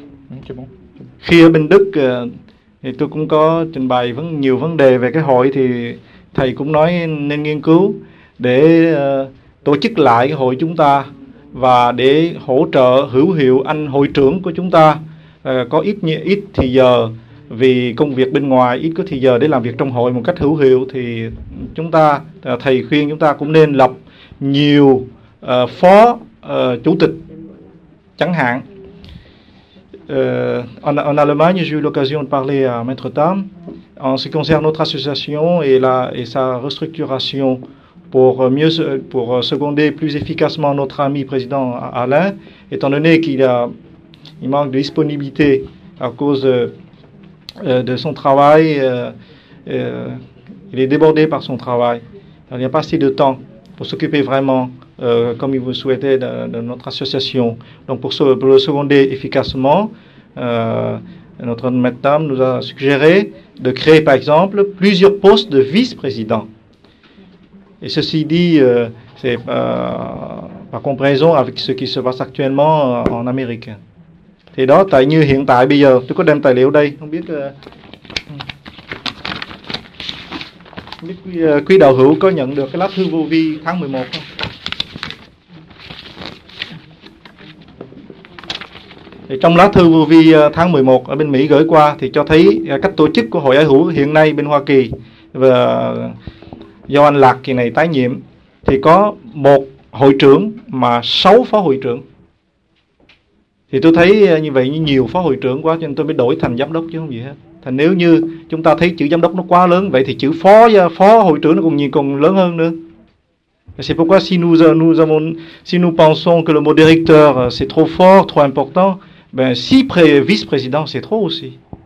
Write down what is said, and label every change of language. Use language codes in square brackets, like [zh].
[vi] Nói rằng khi ở bên Đức thì tôi cũng có trình bày vấn nhiều vấn đề về cái hội thì thầy cũng nói nên nghiên cứu để tổ chức lại cái hội chúng ta và để hỗ trợ hữu hiệu anh hội trưởng của chúng ta có ít thì giờ vì công việc bên ngoài ít có thì giờ để làm việc trong hội một cách hữu hiệu thì chúng ta thầy khuyên chúng ta cũng nên lập nhiều phó chủ tịch chẳng hạn. [fr] On a le moment, j'ai eu l'occasion de parler à Maître Tam en ce qui concerne notre association et sa restructuration pour seconder plus efficacement notre ami président Alain, étant donné qu'il manque de disponibilité à cause de son travail, il est débordé par son travail. Il n'y a pas assez de temps pour s'occuper vraiment comme il vous souhaitait de notre association. Donc pour le seconder efficacement, notre madame nous a suggéré de créer, par exemple, plusieurs postes de vice-président. Et ceci dit, c'est par comparaison avec ce qui se passe actuellement en Amérique. [vi] Thì đó, tại như hiện tại bây giờ, tôi có đem tài liệu đây. Không biết quý đạo hữu có nhận được cái lá thư vô vi tháng 11 không? Trong lá thư vô vi tháng 11 ở bên Mỹ gửi qua thì cho thấy cách tổ chức của hội ái hữu hiện nay bên Hoa Kỳ và do anh Lạc kỳ này tái nhiệm thì có một hội trưởng mà 6 phó hội trưởng. Thì tôi thấy như vậy nhiều phó hội trưởng quá cho nên tôi mới đổi thành giám đốc chứ không gì hết. Thành nếu như chúng ta thấy chữ giám đốc nó quá lớn vậy thì chữ phó hội trưởng nó còn lớn hơn nữa. [fr] C'est pourquoi si nous pensons que le mot directeur c'est trop fort, trop important, ben si vice-président c'est trop aussi.